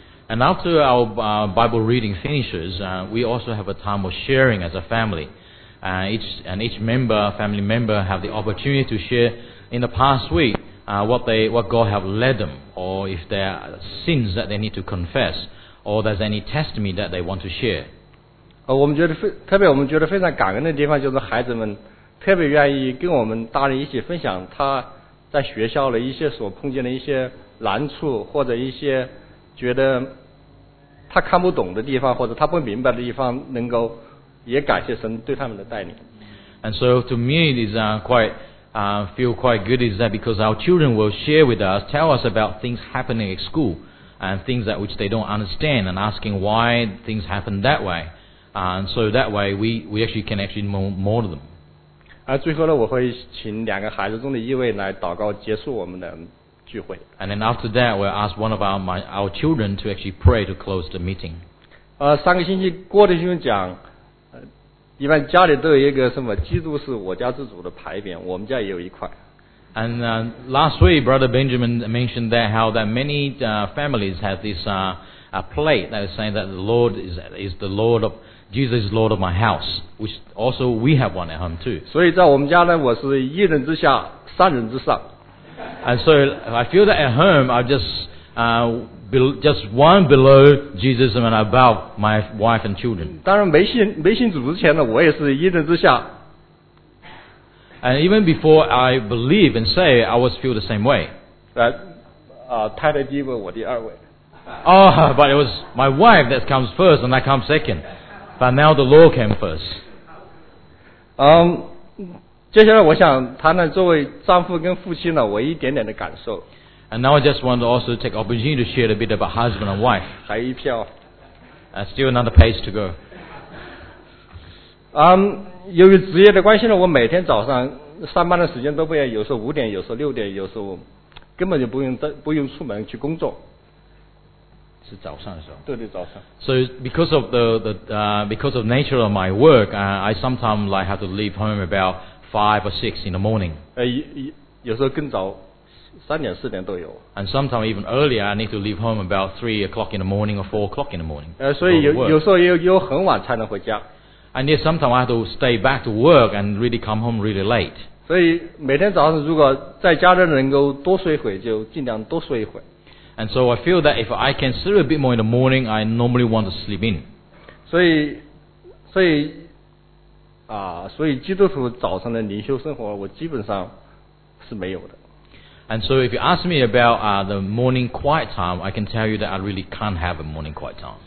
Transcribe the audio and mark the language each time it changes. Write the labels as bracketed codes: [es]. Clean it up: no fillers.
[en] And after our Bible reading finishes, we also have a time of sharing as a family. Each family member have the opportunity to share in the past week what God have led them, or if there are sins that they need to confess, or there's any testimony that they want to share. [zh] 我们觉得非常感恩的地方就是孩子们特别愿意跟我们大人一起分享他在学校的一些所碰见的一些难处或者一些觉得他看不懂的地方或者他不明白的地方能够也感谢神对他们的带领。 [en] And so to me it is feel quite good is that because our children will share with us, tell us about things happening at school and things that which they don't understand and asking why things happen that way. And so that way we actually can actually know more of them. [zh] 最后呢我会请两个孩子中的一位来祷告结束我们的 [en] And then after that, we'll ask one of our children to actually pray to close the meeting. [zh] 上个星期郭弟兄讲，一般家里都有一个什么，基督是我家之主的牌匾，我们家也有一块。 [en] And last week, Brother Benjamin mentioned that how that many families have this a plate that is saying that the Lord is the Lord of Jesus is Lord of my house, which also we have one at home too. [zh] 所以在我们家呢，我是一人之下，三人之上。 [en] And so I feel that at home I'm just one below Jesus and above my wife and children. [zh] 当然没信主之前呢，我也是一人之下。 [en] And even before I believe and say, I was feel the same way. [zh] 太太第一位，我第二位。 [en] Oh, but it was my wife that comes first and I come second. But now the Lord came first. [zh] 接下来我想谈谈作为丈夫跟夫妻呢我一点点的感受。 [en] And now I just want to also take opportunity to share a bit about husband and wife. [zh] 还有一票。 [en] Still another page to go. [zh] 由于职业的关系呢我每天早上上班的时间都不一样有时候五点有时候六点有时候根本就不用出门去工作。是早上的时候。对早上。 [en] So because of the nature of my work, I sometimes like have to leave home about5 or 6 in the morning. [zh] 有时候更早，三点四点都有。 [en] And sometimes even earlier, I need to leave home about 3 o'clock in the morning or 4 o'clock in the morning. [zh] 所以有时候也有很晚才能回家。 [en] And yet sometimes I have to stay back to work and really come home really late. [zh] 所以每天早上如果在家的人能够多睡一会就尽量多睡一会。 [en] And so I feel that if I can sleep a bit more in the morning, I normally want to sleep in. [zh] 所以基督徒早上的灵修生活我基本上是没有的。 [en] And so if you ask me about the morning quiet time, I can tell you that I really can't have a morning quiet time.